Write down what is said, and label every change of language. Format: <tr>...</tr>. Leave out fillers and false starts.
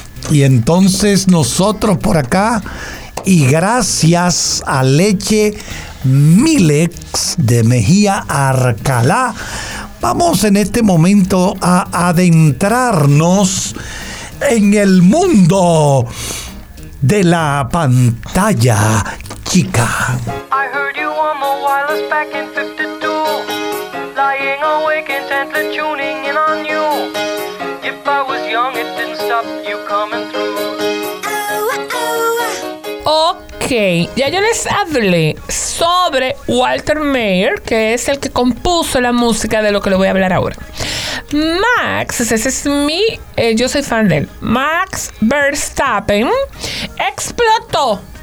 <es>Y entonces nosotros por acá, y gracias a Leche Milex de Mejía Arcalá, vamos en este momento a adentrarnos en el mundo de la pantalla chica.</es> <en>I heard you on the wireless back in 52, lying awake intently tuning in on you. If I was young it didn't stop you coming through. Oh, okay.</en> <es>Ya yo les hablé sobre Walter Mayer, que es el que compuso la música de lo que le voy a hablar ahora. Max, ese es mi, yo soy fan de él. Max Verstappen explotó.</es>